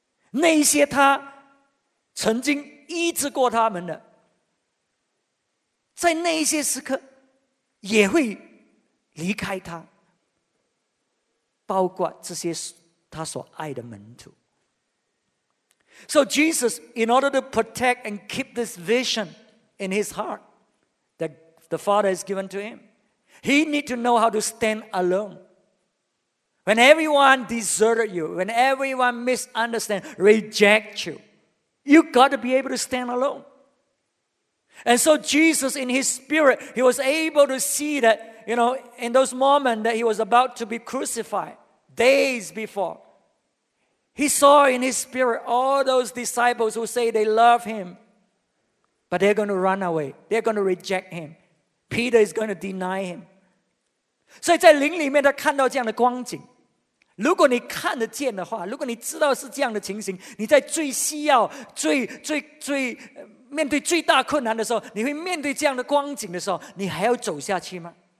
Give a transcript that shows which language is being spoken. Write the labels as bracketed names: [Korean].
[Chinese] 那些他曾经医治过他们的，在那一些时刻也会离开他，包括这些他所爱的门徒。 [English] So Jesus, in order to protect and keep this vision in his heart that the Father has given to him, he need to know how to stand alone. When everyone deserted you, when everyone misunderstands, reject you, you got to be able to stand alone. And so Jesus, in his spirit, he was able to see that, you know, in those moments that he was about to be crucified, days before, he saw in his spirit all those disciples who say they love him, but they're going to run away. They're going to reject him. Peter is going to deny him. [Chinese] 所以在灵里面他看到这样的光景。如果你看得见的话，如果你知道是这样的情形，你在最需要、最面对最大困难的时候，你会面对这样的光景的时候，你还要走下去吗？